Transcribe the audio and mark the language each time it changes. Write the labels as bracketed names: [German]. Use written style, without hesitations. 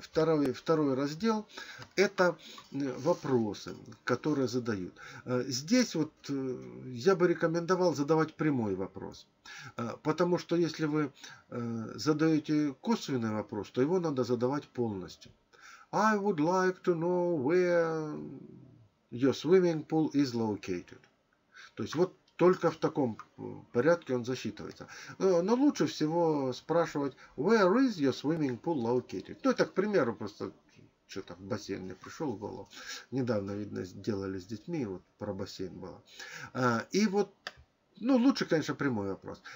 [Russian] Второй раздел — это вопросы, которые задают. Здесь вот я бы рекомендовал задавать прямой вопрос. Потому что если вы задаете косвенный вопрос, то его надо задавать полностью. [English] I would like to know where your swimming pool is located. [Russian] То есть вот только в таком порядке он засчитывается. Но лучше всего спрашивать [English] where is your swimming pool located. [Russian] Ну это к примеру, просто что-то в бассейн мне пришел в голову. Недавно, видно, делали с детьми, вот про бассейн было. И вот, ну, лучше, конечно, прямой вопрос.